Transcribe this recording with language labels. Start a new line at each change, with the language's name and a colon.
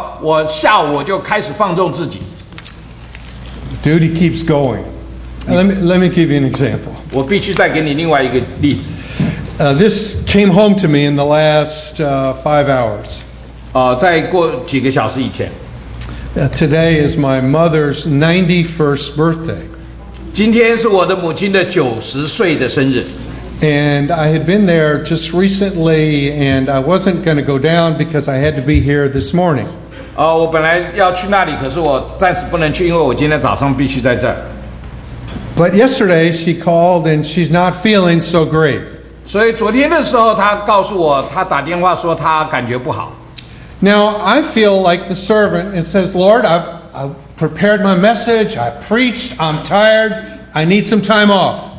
Chinese: 我没有办法说，哦，我今天早上做完了礼拜，那么我下午我就开始放纵自己。
English: Duty keeps going. Let me give you an example.
Chinese: 我必须再给你另外一个例子。
English: This came home to me in the last 5 hours. Today is my mother's 91st birthday.
Chinese: 今天是我的母亲的90岁的生日。
English: And I had been there just recently, and I wasn't going to go down because I had to be here this morning.
Chinese: 我本来要去那里，可是我暂时不能去，因为我今天早上必须在这儿。
English: But yesterday she called, and she's not feeling so great.
Chinese: 所以昨天的时候，她告诉我，她打电话说她感觉不好。
English: Now, I feel like the servant and says, "Lord, I've prepared my message, I preached, I'm tired, I need some time off."